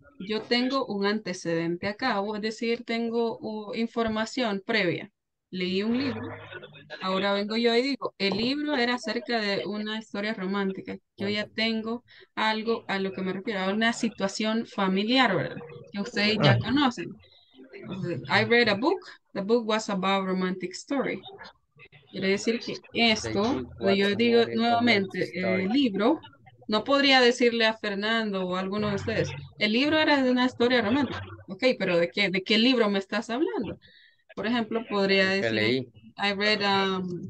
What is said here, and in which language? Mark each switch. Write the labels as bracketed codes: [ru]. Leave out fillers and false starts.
[es] Yo tengo un antecedente acá, o es decir, tengo información previa. Leí un libro, ahora vengo yo y digo, el libro era acerca de una historia romántica. Yo ya tengo algo a lo que me refiero, a una situación familiar, ¿verdad? Que ustedes ya conocen. [en] I read a book, the book was about a romantic story. [es] Quiere decir que esto, cuando yo digo nuevamente el libro, no podría decirle a Fernando o a alguno de ustedes, el libro era de una historia romántica. Ok, pero ¿de qué libro me estás hablando? Por ejemplo, podría decir, leí. [en] I read a...